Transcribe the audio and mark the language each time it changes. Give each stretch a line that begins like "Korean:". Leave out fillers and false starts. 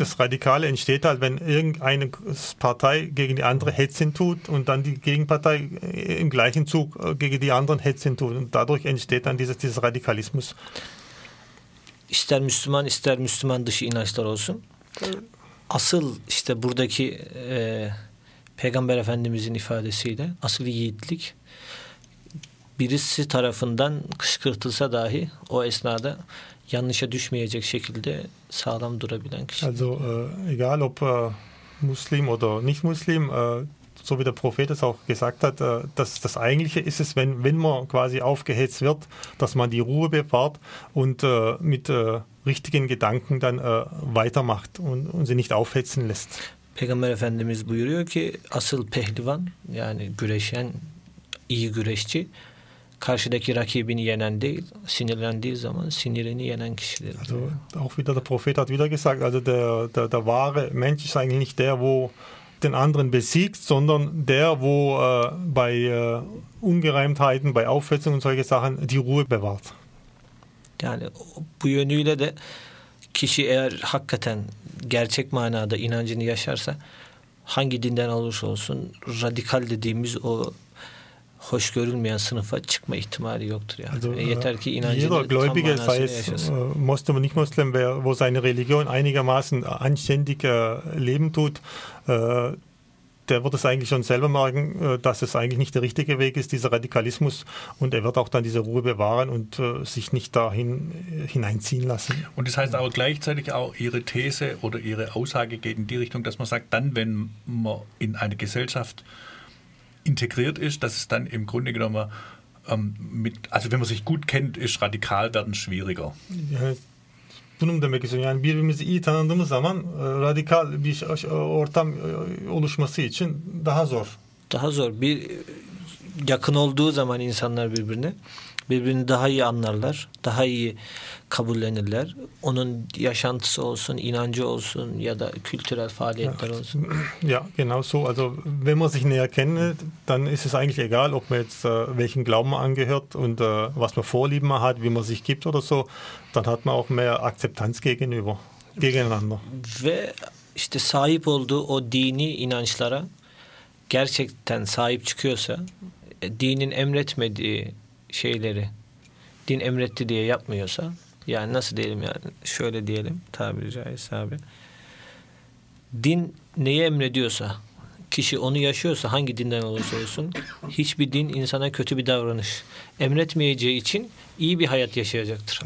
German: Das Radikale entsteht halt, wenn irgendeine Partei gegen die andere hetzen tut und dann die Gegenpartei im gleichen Zug gegen die anderen hetzen tut und dadurch entsteht dann dieses Radikalismus.
Turkish: İster Müslüman, ister Müslüman dışı inançlar olsun. Asıl işte buradaki Peygamber Efendimiz'in ifadesiyle asıl yiğitlik birisi tarafından kışkırtılsa dahi o esnada yanlışa düşmeyecek şekilde sağlam durabilen kişi.
German: Also egal ob Muslim oder nicht Muslim, so wie der Prophet es auch gesagt hat, das eigentliche ist es, wenn man quasi aufgehetzt wird, dass man die Ruhe bewahrt und mit richtigen Gedanken dann weitermacht und sie nicht aufhetzen lässt.
Turkish: Peygamber Efendimiz buyuruyor ki asıl pehlivan, yani güreşen, iyi güreşçi karşıdaki rakibini yenen değil, sinirlendiği zaman sinirini yenen kişidir.
German: Also auch wieder der Prophet hat wieder gesagt, also der wahre Mensch ist eigentlich nicht der, wo den anderen besiegt, sondern der, wo bei Ungereimtheiten, bei Aufhetzung und solche Sachen die Ruhe bewahrt.
Turkish: Yani bu yönüyle de kişi eğer hakikaten gerçek manada inancını yaşarsa, hangi dinden olursa olsun, radikal dediğimiz o hoş görülmeyen sınıfa çıkma ihtimali yoktur yani. Also, yeter ki inancını tam manasını yaşasın.
German: Jeder Gläubige, sei es Muslim oder nicht Muslim, wo seine Religion einigermaßen anständig leben tut, der wird es eigentlich schon selber merken, dass es eigentlich nicht der richtige Weg ist, dieser Radikalismus. Und er wird auch dann diese Ruhe bewahren und sich nicht dahin hineinziehen lassen. Und das heißt aber gleichzeitig auch, Ihre These oder Ihre Aussage geht in die Richtung, dass man sagt, dann, wenn man in eine Gesellschaft integriert ist, dass es dann im Grunde genommen, also wenn man sich gut kennt, ist radikal werden schwieriger. Ja.
Turkish: Bunu mu demek istiyorsun? Yani birbirimizi iyi tanıdığımız zaman radikal bir ortam oluşması için daha zor. Daha zor. Bir yakın olduğu zaman insanlar birbirine, birbirini daha iyi anlarlar, daha iyi kabullenirler. Onun yaşantısı olsun, inancı olsun ya da kültürel faaliyetler olsun.
German: Ja, genau so. Also wenn man sich näher kennt, dann ist es eigentlich egal, ob man jetzt welchen Glauben man angehört und was man Vorlieben man hat, wie man sich gibt oder so. Dann hat man auch mehr Akzeptanz gegenüber, gegeneinander.
Turkish: Ve işte sahip olduğu o dini inançlara gerçekten sahip çıkıyorsa, dinin emretmediği şeyleri din emretti diye yapmıyorsa, yani nasıl diyelim, yani şöyle diyelim tabiri caizse abi, din neyi emrediyorsa, kişi onu yaşıyorsa, hangi dinden olursa olsun, hiçbir din insana kötü bir davranış emretmeyeceği için iyi bir hayat yaşayacaktır.